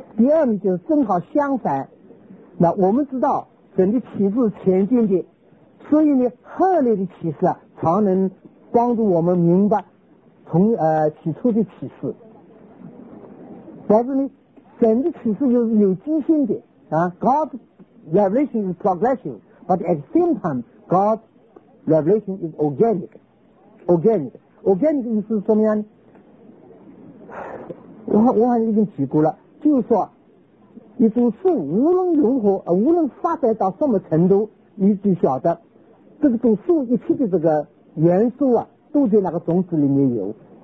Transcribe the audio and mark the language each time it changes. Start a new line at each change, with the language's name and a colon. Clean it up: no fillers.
Chinese: 第二呢，就是正好相反。那我们知道神的启示是前进的，所以呢，后来的启示啊，常能帮助我们明白从起初的启示，但是呢，整个启示又有机性的啊。
English: God revelation is progressive, but at the same time, God revelation is organic.
Chinese: Organic, organic 意思是什么样呢？我好像已经举过了，就是说，一种树无论如何啊，无论发展到什么程度，你就晓得这个种树一切的这个元素啊，都在那个种子里面有。